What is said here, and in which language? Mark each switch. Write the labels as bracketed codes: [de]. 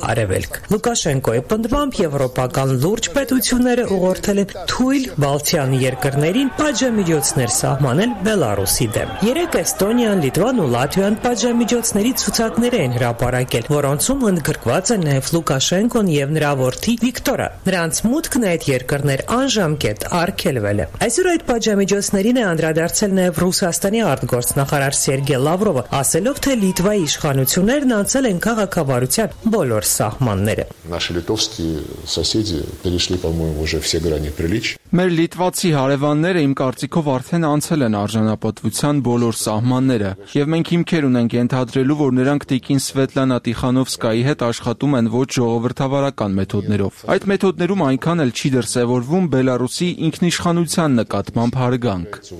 [hy] արևելք։ Լուկաշենկոյի պնդմամբ եվրոպական լուրջ պետությունները ուղղորդել են թույլ Բալթյան երկրներին պատժամիջոցներ սահմանել Բելարուսի դեմ։ 3 Էստոնիան, Լիտվան ու Լատվիան պատժամիջոցների ցուցակներ են հրապարակել, որոնցում ընդգրկված է նաեւ Լուկաշենկոն եւ նրա որդի Վիկտորը։ Նրանց մուտքն այդ երկրներ անժամկետ արգելվել է։ Այսօր այդ պատժամիջոցներին է անդրադարձել նաև Ռուսաստանի արտգործնախարար Սերգե Լավրովը, ասելով, թե Լիտվայի իշխանություններն անցել են քաղաքավարության բոլոր սահմանները։ [ru] Наши литовские соседи перешли, по-моему, уже все грани приличия։ [hy] Մեր լիտվացի հարևանները իմ կարծիքով արդեն անցել են արժանապատվության բոլոր սահմանները, եւ մենք հիմքեր ունենք ենթադրելու, որ նրանք տիկին Սվետլանա Տիխանովսկայի հետ աշխատում են ոչ ժողովրդավարական մեթոդներով։ Այդ մեթոդներում այնքան էլ չի դրսևորվում Բելարուսի ինքնիշխանության նկատմամբ հարգանք։